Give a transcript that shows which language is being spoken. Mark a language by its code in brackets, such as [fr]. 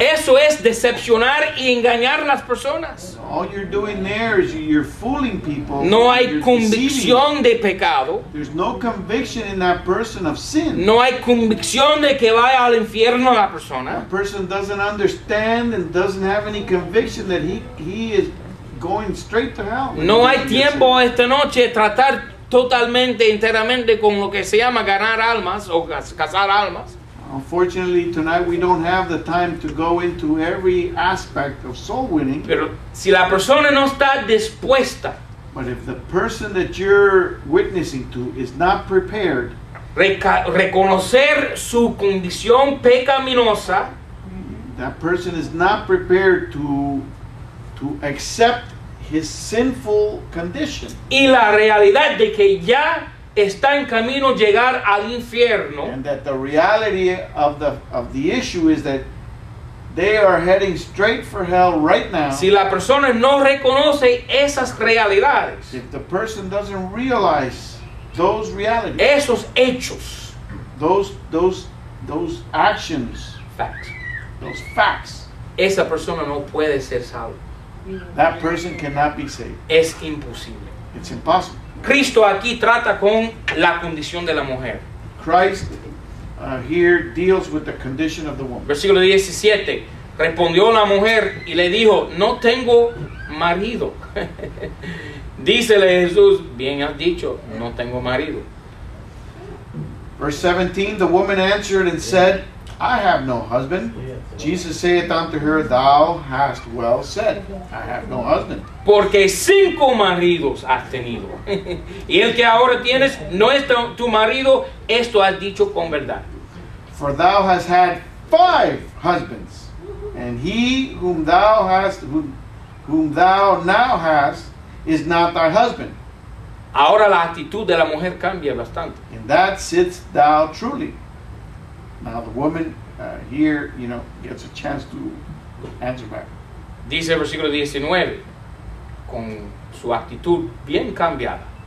[es] Eso es decepcionar y engañar a las personas. [en] All you're doing there is you're fooling people. [es] No hay convicción de pecado. [en] There's no conviction in that person of sin. [es] No hay convicción de que vaya al infierno la persona. [en] That person doesn't understand and doesn't have any conviction that he is going straight to hell. [es] No hay tiempo esta noche tratar totalmente, enteramente con lo que se llama ganar almas o cazar almas. [en] Unfortunately, tonight we don't have the time to go into every aspect of soul winning. [es] Pero si la persona no está dispuesta, [en] but if the person that you're witnessing to is not prepared, [es] reconocer su condición pecaminosa, [en] that person is not prepared to accept his sinful condition. [es] Y la realidad de que ya está en camino llegar al infierno. [en] And that the reality of the issue is that they are heading straight for hell right now. [es] Si la persona no reconoce esas realidades. [en] If the person doesn't realize those realities. [es] Esos hechos. [en] Those actions. Facts. Those facts. [es] Esa persona no puede ser salva. [en] That person cannot be saved. [es] Es imposible. [en] It's impossible. [es] Cristo aquí trata con la condición de la mujer. [en] Christ here deals with the condition of the woman. [es] Versículo 17. Respondió la mujer y le dijo, no tengo marido. Dícele Jesús, bien has dicho, no tengo marido. [en] Verse 17. The woman answered and said, I have no husband. Jesus saith unto her, thou hast well said, I have no husband. [es] Porque cinco maridos has tenido. Y el que ahora tienes no es tu marido, esto has dicho con verdad. [en] For thou hast had 5 husbands, and he whom thou now hast is not thy husband. [es] Ahora la actitud de la mujer cambia bastante. [en] In that sitst thou truly. Now the woman here, you know, gets a chance to answer back. [es] Dice el versículo 19, con su actitud bien cambiada.